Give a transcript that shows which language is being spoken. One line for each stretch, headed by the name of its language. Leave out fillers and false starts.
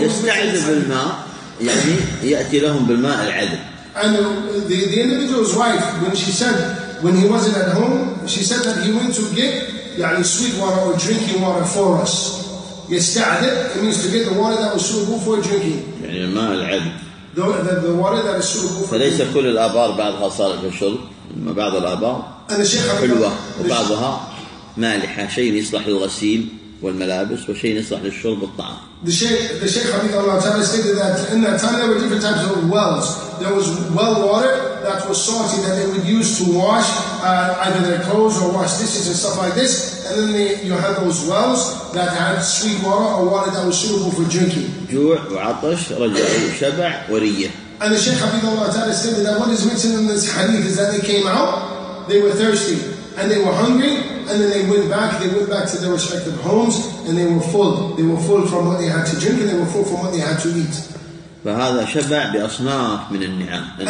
Arabic: يستعذ بالماء يعني يأتي لهم بالماء العذب.
English: And the individual's wife, when he wasn't at home, she said that he went to get يعني sweet water or drinking water for us. يستعذ, it means to get the water that was suitable for drinking.
Arabic: يعني الماء العذب.
English: The water that is suitable for.
Arabic: فليس كل الآبار بعضها صالح للشرب, ما بعض الآبار حلوة وبعضها مالحة, شيء يصلح للغسيل والملابس وشيء يصلح للشرب والطعام.
English: The Shaykh Hafidhullah ta'ala stated that in that time there were different types of wells. There was well water that was salty that they would use to wash either their clothes or wash dishes and stuff like this. And then you had those wells that had sweet water or water that was suitable for drinking.
Arabic: جوع وعطش رجعوا شبع ورية.
English: And the Shaykh Hafidhullah ta'ala stated that what is mentioned in this hadith is that they came out, they were thirsty and they were hungry, and then they went back to their respective homes, and they were full. They were full from what they had to drink, and they were full from what they had to eat.
Arabic: فهذا شبع بأصناف من النعم.